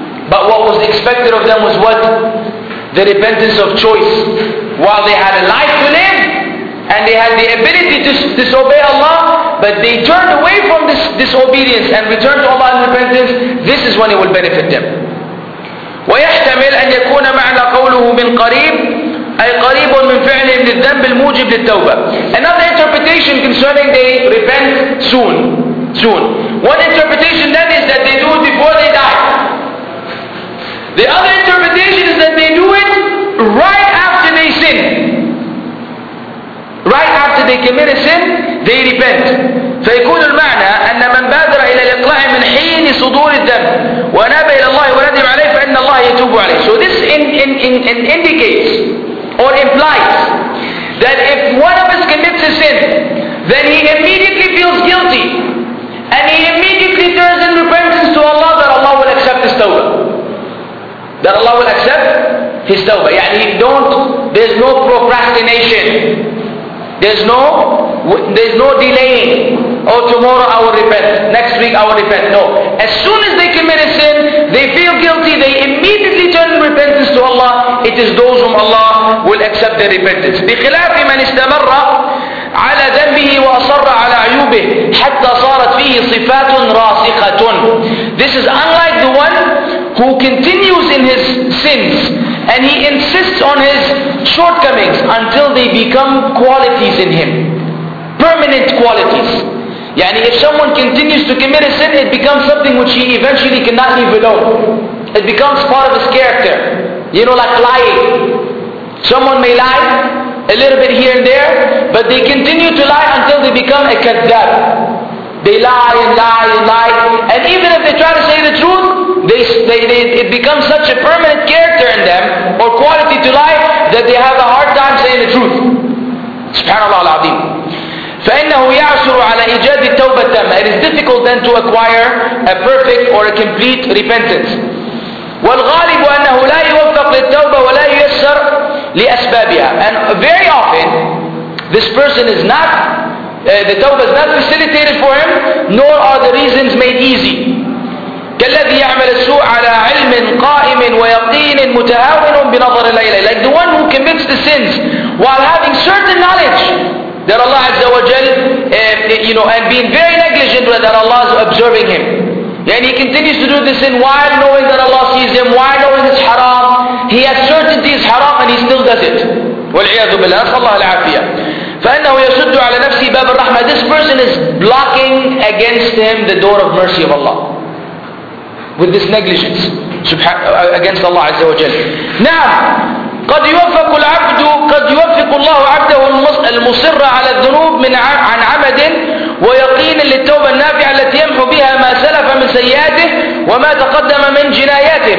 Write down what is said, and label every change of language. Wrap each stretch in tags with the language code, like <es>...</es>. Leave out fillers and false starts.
<en>But what was expected of them was what? The repentance of choice. While they had a life to live and they had the ability to disobey Allah, but they turned away from this disobedience and returned to Allah in repentance, this is when it will benefit them.</en> <ar>ويحتمل أن يكون معنى قوله من قريب أي قريب من فعلهم للذنب الموجب للتوبة.</ar> <en>Another interpretation concerning they repent soon. One interpretation then is that they do it before they die. The other interpretation is that they do it right after they sin. Right after they commit a sin, they repent.</en> <ar>فيكون المعنى أن من بادر إلى الإقلاع من حين صدور الدم وناب إلى الله وندم عليه فإن الله يتوب عليه.</ar> <en>So this in indicates or implies that if one of us commits a sin, then he immediately feels guilty and he immediately turns in repentance to Allah, that Allah will accept his tawbah. That Allah will accept his tawbah. يعني don't, there's no procrastination. There's no delaying. Oh, tomorrow I will repent. Next week I will repent. No. As soon as they commit a sin, they feel guilty, they immediately turn in repentance to Allah. It is those whom Allah will accept their repentance.</en> <ar>بخلاف من استمر على ذنبه وأصر على عيوبه حتى صارت فيه صفات راسخة.</ar> <en>This is unlike the one who continues in his sins and he insists on his shortcomings until they become qualities in him, permanent qualities. يعني if someone continues to commit a sin, it becomes something which he eventually cannot leave alone. It becomes part of his character. You know, like lying. Someone may lie a little bit here and there, but they continue to lie until they become a kaddab. They lie and lie and lie, and even if they try to say the truth, it becomes such a permanent character in them or quality to lie that they have a hard time saying the truth.</en> <ar>Subhanallah al-Azim. فإنه يعسر على إيجاد التوبة التامة.</ar> <en>It is difficult then to acquire a perfect or a complete repentance.</en> <ar>والغالب أنه لا يوفق للتوبة ولا ييسر لأسبابها.</ar> <en>And very often, this person is not, the tawbah is not facilitated for him, nor are the reasons made easy.</en> <ar>كالذي يعمل السوء على علم قائم ويقين متهاون بنظر الليل.</ar> <en>Like the one who commits the sins while having certain knowledge that Allah Azza wa Jal, and being very negligent that Allah is observing him. And he continues to do this sin while knowing that Allah sees him, while knowing it's haram. He has certainty it's haram and he still does it.</en> <ar>وَالْعِيَذُ بِاللَّهِ أَسْأَلُ اللَّهَ الْعَافِيَةَ. فَإِنَّهُ يَسُدُّ عَلَى نَفْسِهِ بَابَ الرَّحْمَةِ.</ar> <en>This person is blocking against him the door of mercy of Allah with this negligence against Allah عز وجل.</en> <ar>نعم قد يوفق العبد قد يوفق الله عبده المصر على الذنوب من عن عمد ويقين للتوبة النافعة التي يمحو بها ما سلف من سيئاته وما تقدم من جناياته.</ar>